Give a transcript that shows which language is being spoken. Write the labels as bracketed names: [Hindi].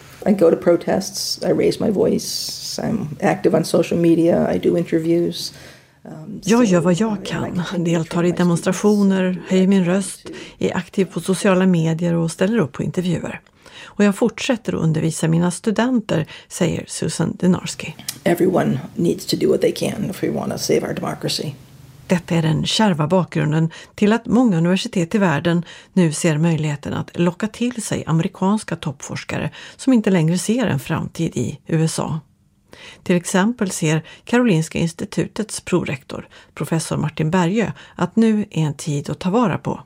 [English] I go to protests, I raise my voice, I'm active on social media, I do interviews. [Swedish] Jag gör vad jag kan, deltar i demonstrationer, höjer min röst, är aktiv på sociala medier och ställer upp på intervjuer. Och jag fortsätter att undervisa mina studenter, säger Susan Dynarski. [English] Everyone needs to do what they can if we want to save our democracy. [Swedish] Detta är den kärva bakgrunden till att många universitet i världen nu ser möjligheten att locka till sig amerikanska toppforskare som inte längre ser en framtid i USA. Till exempel ser Karolinska institutets prorektor, professor Martin Bergö, att nu är en tid att ta vara på.